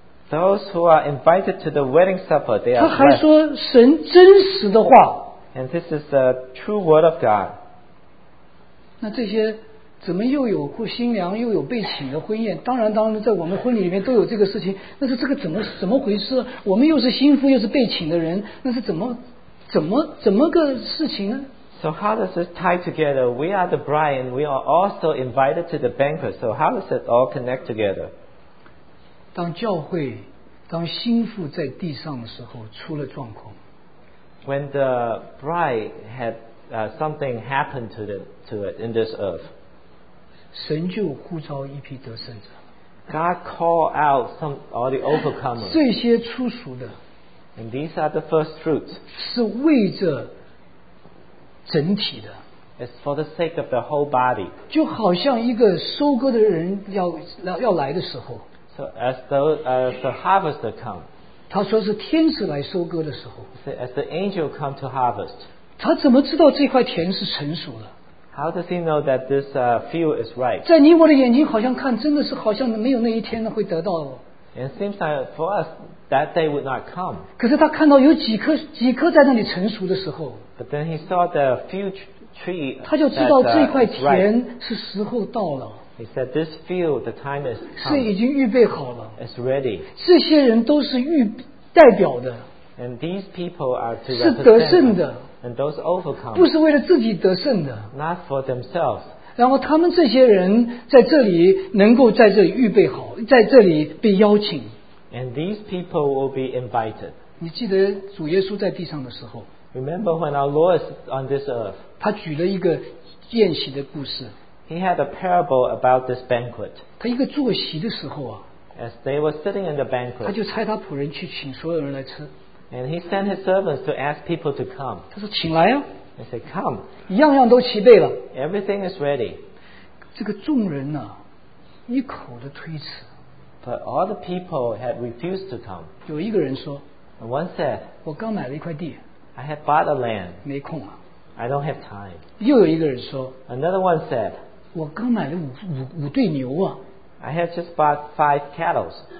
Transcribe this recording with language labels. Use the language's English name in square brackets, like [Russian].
[English] Those who are invited to the wedding supper, they are blessed. [Chinese] 他还说神真实的话。 [English] And this is the true word of God. [Chinese] 那这些怎么又有新娘又有被请的婚宴? 当然在我们婚礼里面都有这个事情, 那是这个怎么回事? 我们又是新夫又是被请的人, 那是怎么个事情呢? [English] So how does this tie together? We are the bride and we are also invited to the banquet. So how does it all connect together? [Chinese] 当教会, 当新妇在地上的时候, 出了状况, [English] when the bride had something happened to, to it in this earth, [Chinese] 神就呼召一批得胜者, [English] God called out all the overcomers. [Chinese] 这些初熟的, [English] and these are the first fruits. [Chinese] 是为着 整体的, [English] it's for the sake of the whole body. [Chinese] 就好像一个收割的人要来的时候, [English] so as though the harvester come. [Chinese] 他说是天使来收割的时候, [English] so as the angel come to harvest. [Chinese] 他怎么知道这块田是成熟了? [English] How does he know that this field is ripe? [Chinese] 在你我的眼睛好像看, 真的是好像没有那一天会得到。 [English] It seems like for us that day would not come. [Chinese] 可是他看到有几棵在那里成熟的时候, [English] but then he saw the few tree. [Chinese] 他就知道这块田是时候到了。 [English] He said this field the time is come. [Chinese] 是已经预备好了。 [English] It's ready. [Chinese] 这些人都是代表的。 [English] And these people are to represent. [Chinese] 是得胜的。 [English] And those overcome. [Chinese] 不是为了自己得胜的。 [English] Not for themselves. [Chinese] 然后他们这些人在这里能够在这里预备好, 在这里被邀请。 [English] And these people will be invited. [Chinese] 你记得主耶稣在地上的时候, [English] remember when our Lord is on this earth, [Chinese] 他举了一个宴席的故事, [English] he had a parable about this banquet. [Chinese] 他一个坐席的时候啊, [English] as they were sitting in the banquet, [Chinese] 他就差他仆人去请所有人来吃, [English] and he sent his servants to ask people to come. [Chinese] 他说请来啊, [English] they said come, [Chinese] 一样都齐备了, [English] everything is ready. [Chinese] 这个众人啊, 一口的推辞, [English] but all the people had refused to come. [Chinese] 有一个人说, [English] and one said, [Chinese] 我刚买了一块地, [English] I have bought a land. [Chinese] 没空啊, [English] I don't have time. [Chinese] 又有一个人说, [English] another one said, [Chinese] 我刚买了五对牛啊, [English] I have just bought five cattle.